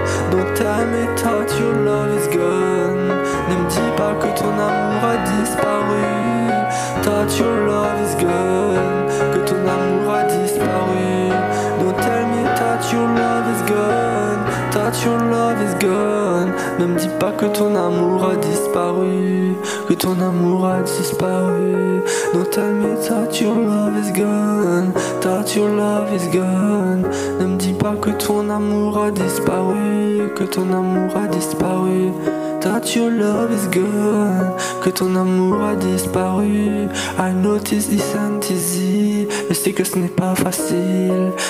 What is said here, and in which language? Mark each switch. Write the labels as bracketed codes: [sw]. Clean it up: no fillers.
[en] Don't tell me that your love is gone. [fr] Ne me dis pas que ton amour a disparu. [en] That your love is gone. [fr] Que ton amour a disparu. [en] Don't tell me that your love is gone. That your love is gone. [fr] Ne me dis pas que ton amour a disparu. Que ton amour a disparu. [en] Don't tell me that your love is gone. That your love is gone. [fr] Ne me dis pas que ton amour a disparu. Que ton amour a disparu. [en] That your love is gone. [fr] Que ton amour a disparu. [en] I know this isn't easy. [fr] Je sais que ce n'est pas facile.